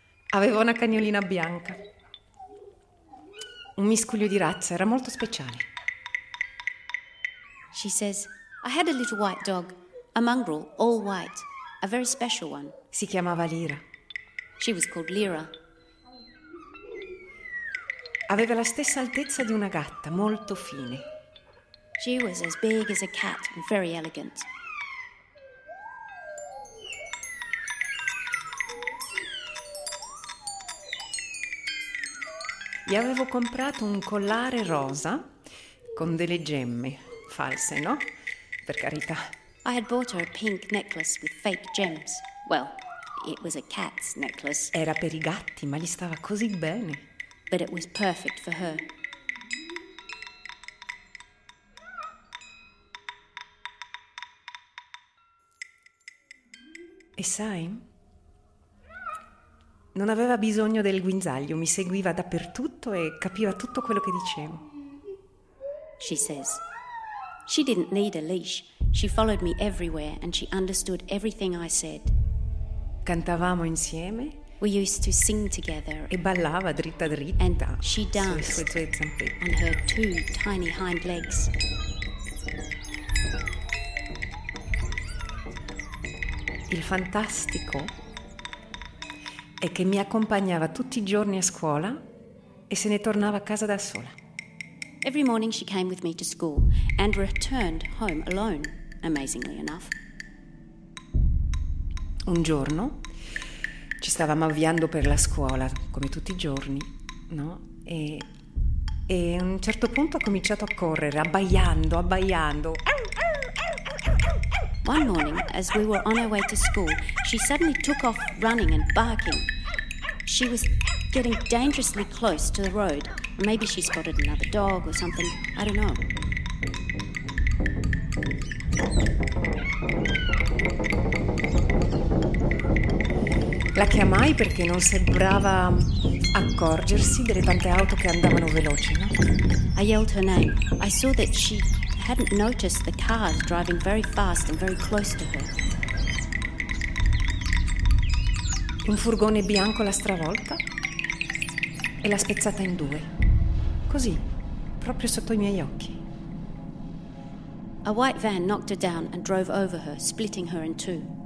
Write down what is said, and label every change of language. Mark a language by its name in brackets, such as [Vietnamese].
[Italian] Aveva una cagnolina bianca. Un miscuglio di razza, era molto speciale. [English] She says, I had a little white dog, a mongrel, all white, a very special one. [Italian] Si chiamava Lyra. [English] She was called Lyra. [Italian] Aveva la stessa altezza di una gatta, molto fine. [English] She was as big as a cat and very elegant. [Italian] Gli avevo comprato un collare rosa con delle gemme false, no? Per carità. [English] I had bought her a pink necklace with fake gems. Well, it was a cat's necklace. [Italian] Era per i gatti, ma gli stava così bene. [English] But it was perfect for her. [Italian] E sai? Non aveva bisogno del guinzaglio, mi seguiva dappertutto e capiva tutto quello che dicevo. [English] She says, she didn't need a leash. She followed me everywhere and she understood everything I said. [Italian] Cantavamo insieme. [English] We used to sing together. [Italian] E ballava dritta dritta. [English] And she danced on her two tiny hind legs. [Italian] Il fantastico è che mi accompagnava tutti i giorni a scuola e se ne tornava a casa da sola. [English] Every morning she came with me to school and returned home alone, amazingly enough. [Italian] Un giorno ci stavamo avviando per la scuola, come tutti i giorni, no? E a un certo punto ha cominciato a correre, abbaiando. [English] One morning, as we were on our way to school, she suddenly took off running and barking. She was getting dangerously close to the road. Maybe she spotted another dog or something. I don't know. [Italian] La chiamai perché non sembrava accorgersi delle tante auto che andavano veloci, no? [English] I yelled her name. I saw that she hadn't noticed the cars driving very fast and very close to her. [Italian] Un furgone bianco l'ha stravolta e l'ha spezzata in due. Così, proprio sotto i miei occhi. [English] A white van knocked her down and drove over her, splitting her in two.